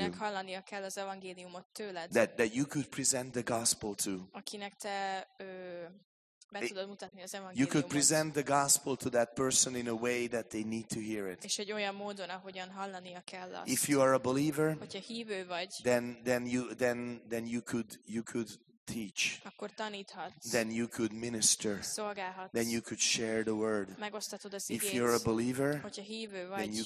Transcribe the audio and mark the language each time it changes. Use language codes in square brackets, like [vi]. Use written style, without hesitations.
[hu] Akinek hallania kell az evangéliumot tőled. [en] That you could present the gospel to. [hu] Akinek te be tudod mutatni az evangéliumot. [en] You could present the gospel to that person in a way that they need to hear it. [hu] És egy olyan módon, ahogyan hallania kell azt. [en] If you are a believer, [hu] hogyha hívő vagy, [en] then you could teach. [hu] Akkor taníthatsz. [en] Then you could minister. [hu] Szolgálhatsz. [en] Then you could share the word. [hu] Megosztatod az igét. [en] If you're a believer, [hu] hogyha hívő vagy,